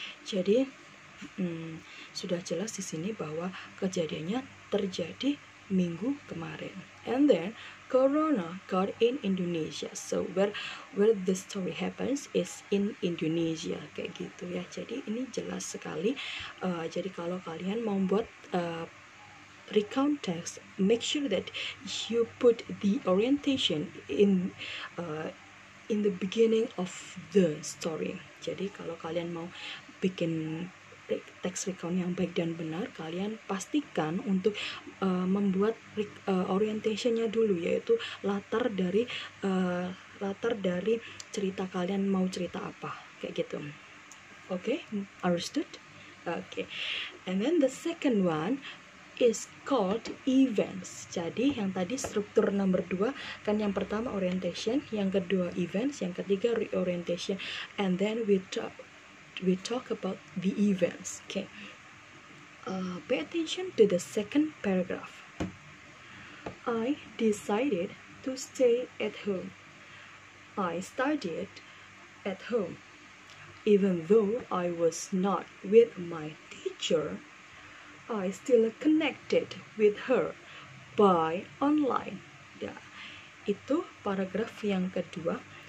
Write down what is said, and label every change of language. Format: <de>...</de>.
<id>Jadi, sudah jelas di sini bahwa kejadiannya terjadi minggu kemarin.</id> <en>And then, Corona got in Indonesia. So, where the story happens is in Indonesia.</en> <id>Kayak gitu ya. Jadi, ini jelas sekali. Jadi, kalau kalian mau buat</id> <en>recount text, make sure that you put the orientation in the beginning of the story.</en> <id>Jadi, kalau kalian mau bikin text recount yang baik dan benar, kalian pastikan untuk membuat orientation-nya dulu, yaitu latar dari cerita kalian mau cerita apa, kayak gitu.</id> <en>Okay, understood? Okay. And then the second one is called events.</en> <id>Jadi yang tadi struktur nomor 2 kan, yang pertama orientation, yang kedua events, yang ketiga reorientation,</id> <en>and then we talk about the events.</en> <id>Okay.</id> <en>Pay attention to the second paragraph. I decided to stay at home. I studied at home. Even though I was not with my teacher, I still connected with her by online.</en> <id>Ya. Itu paragraf yang kedua.</id>